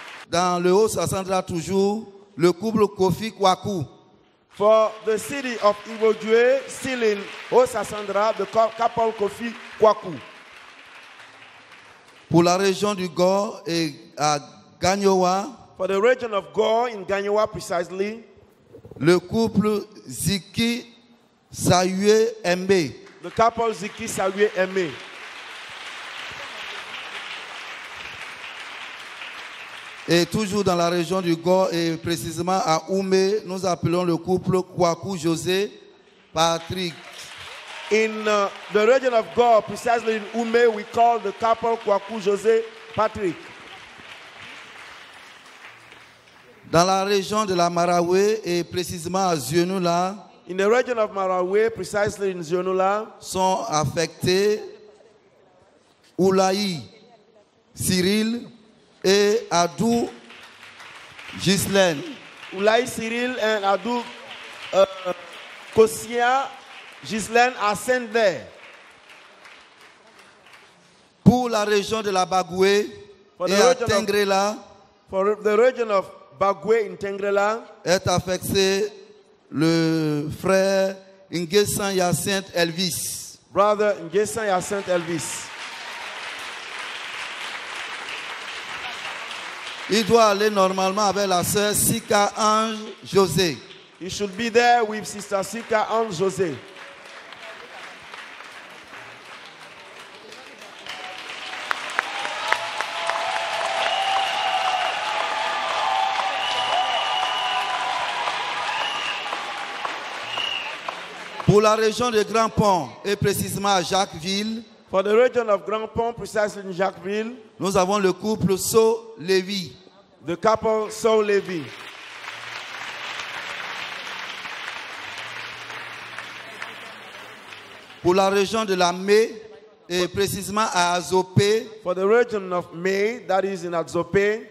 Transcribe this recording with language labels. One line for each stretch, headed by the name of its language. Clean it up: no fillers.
French: Dans le Osasandra toujours, le couple Kofi Kwaku.
English: For the city of Iwojue, still in Osasandra, the couple Kofi Kwaku.
French: Pour la région du Gor et à Ganyowa.
English: For the region of Gor in Ganyowa, precisely.
French: Le couple Ziki Sayue Mbe.
English: The couple Ziki Sayue Mbe.
French: Et toujours dans la région du Gor et précisément à Oumé, nous appelons le couple Kwaku José Patrick.
English: In the region of Gor, precisely in Oumé, we call the couple Kwaku José Patrick.
French: Dans la région de la Maraoué et précisément à Zionoula.
English: In the region of Maraoué, precisely in Zionoula,
French: sont affectés Oulaï Cyril et Adou Ghislaine.
English: Oulaï Cyril and Adou Kosia, Ghislaine à Saint-Der.
French: Pour la région de la Bagoué et à Tengrela.
English: For the region of Bagoué in Tengrela.
French: Est affecté le frère Ngessan Yacinthe Elvis.
English: Brother Ngessan Yacinthe Elvis.
French: Il doit aller normalement avec la sœur Sika Ange José.
English: He should be there with Sister Sika Ange José.
French: Pour la région de Grand Pont et précisément à Jacquesville.
English: For the region of Grand Pont, precisely in Jacquesville.
French: Nous avons le couple Saul Levy.
English: The couple Saul Levy.
French: Pour la région de la Mai et précisément à Azopé.
English: For the region of Mai, that is in Azopé.